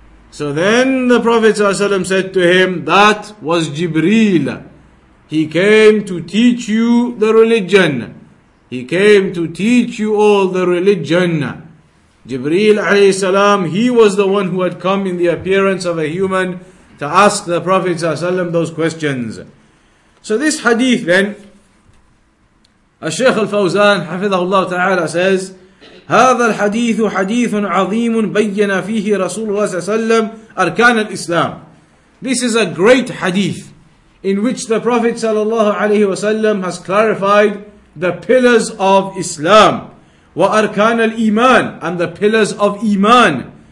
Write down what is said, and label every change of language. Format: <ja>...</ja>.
<en>So then the Prophet ﷺ said to him, that was Jibreel. He came to teach you the religion. He came to teach you all the religion. Jibreel alayhi salam, he was the one who had come in the appearance of a human to ask the Prophet ﷺ those questions. So this hadith then, Al-Shaykh Al-Fawzan hafidhahullah ta'ala says,</en> <ar>هذا الحديث حديث عظيم بيّن فيه رسول الله صلى الله عليه وسلم أركان الإسلام.</ar> <en>This is a great hadith in which the Prophet</en> <ar>صلى الله عليه وسلم</ar> <en>has clarified the pillars of Islam.</en> <ar>وأركان الإيمان,</ar> <en>and the pillars of إيمان.</en>